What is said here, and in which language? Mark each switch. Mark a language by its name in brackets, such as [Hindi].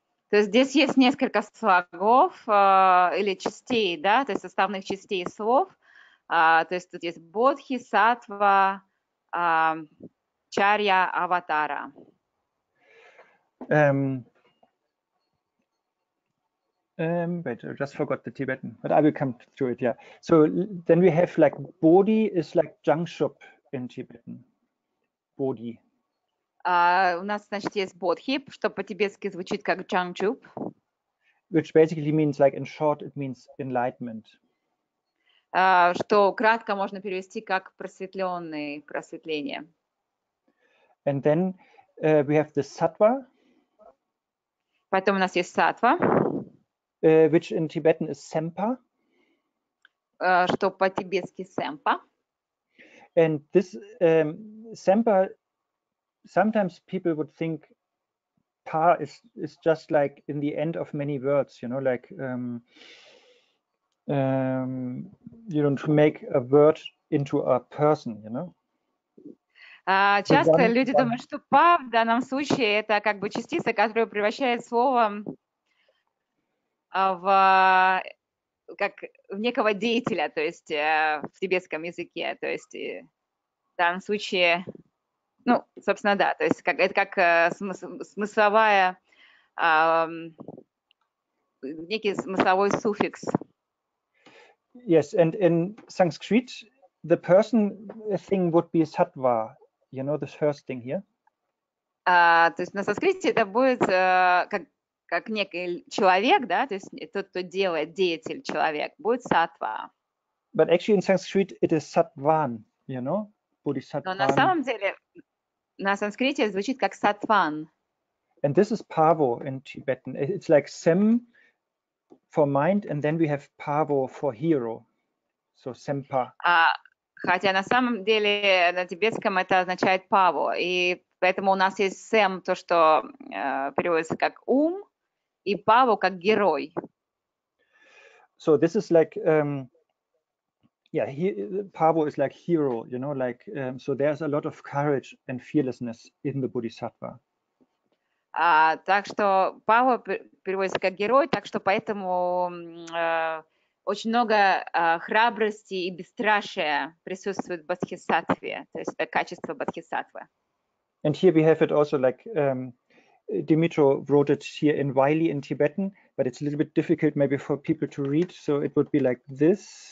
[Russian] То есть здесь есть несколько слогов или частей, да, то есть составных частей слов. То есть тут есть бодхи, сатва, чарья, аватара. [English] Wait, I just forgot the Tibetan, but I will come to it, yeah. So then we have like Bodhi is like Jangshub in Tibetan. Bodhi. [Russian] У нас, значит, есть бодхи, что по-тибетски звучит как джангчуб. [English] Which basically means, like, in short, it means enlightenment. [Russian] Что кратко можно перевести как просветленные, просветление. [English] And then we have the sattva. [Russian] Потом у нас есть сатва. [English] Which in Tibetan is sempa. [Russian] Что по-тибетски сэмпа. [English] And this sempa, sometimes people would think pa is just like in the end of many words, you know, like you know, to make a word into a person, you know. [Russian] Часто люди думают, что па в данном случае это как бы частица, которая превращает слово в как в некого деятеля, то есть в тибетском языке, то есть в данном случае. Ну, собственно, да, то есть как, это как смысловая, некий смысловой суффикс. [English] Yes, and in Sanskrit, the person thing would be sattva, you know, the first thing here. [Russian] То есть на санскрите это будет как некий человек, да, то есть тот, кто делает, деятель, человек, будет сатва. [English] But actually in Sanskrit it is sattvan, you know, bodhisattvan. [Russian] Но на самом деле... На санскрите звучит как сатван. [English] And this is pavo in Tibetan. It's like sem for mind, and then we have pavo for hero. So sempa. [Russian] Хотя на самом деле на тибетском это означает паво. И поэтому у нас есть сем, то, что переводится как ум, и паво как герой. [English] So this is like... Yeah, pavo is like hero, you know, like so there's a lot of courage and fearlessness in the bodhisattva. [Russian] Так что пава переводится как герой, так что поэтому очень много храбрости и бесстрашия присутствует в бодхисаттве, то есть это качество бодхисаттвы. [English] And here we have it also like Dimitro wrote it here in Wiley in Tibetan, but it's a little bit difficult maybe for people to read, so it would be like this.